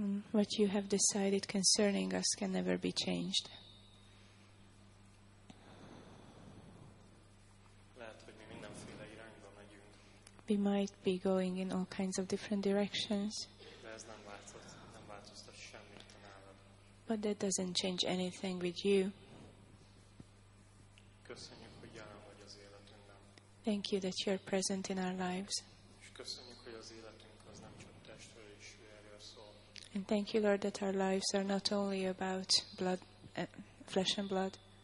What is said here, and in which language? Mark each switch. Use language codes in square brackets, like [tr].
[en] What you have decided concerning us can never be changed. [hu] Lehet, hogy mi mindenféle irányba megyünk. [en] We might be going in all kinds of different directions. [hu] De ez nem változ, nem változtat semmit nálad. [en] But that doesn't change anything with you. [hu] Köszönjük, hogy jelen vagy az életünkben. [en] Thank you that you are present in our lives. [hu] És köszönjük, hogy az életünk az nem csak testről és vérről szól. [en] And thank you, Lord, that our lives are not only about blood, flesh and blood.